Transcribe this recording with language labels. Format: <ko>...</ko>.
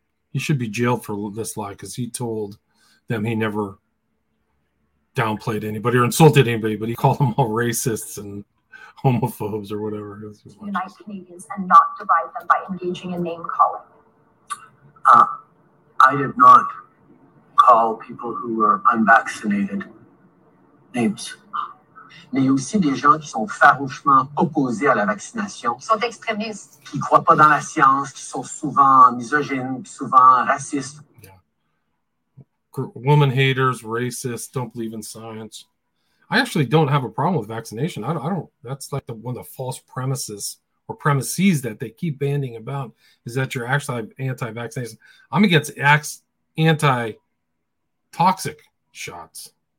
<en>He should be jailed for this lie, because he told them he never downplayed anybody or insulted anybody, but he called them all racists and homophobes or whatever. Unite Canadians and not divide them by engaging in name calling. I did not call people who were unvaccinated names.</en> <fr>Mais aussi des gens qui sont farouchement opposés à la vaccination. Sont extrémistes. Qui croient pas dans la science, qui sont souvent misogynes, souvent racistes.</fr> <en>Woman haters, racists, don't believe in science. I actually don't have a problem with vaccination. I don't. That's like the one of the false premises or premises that they keep bandying about, is that you're actually anti-vaccination. I'm against anti-toxic shots.</en>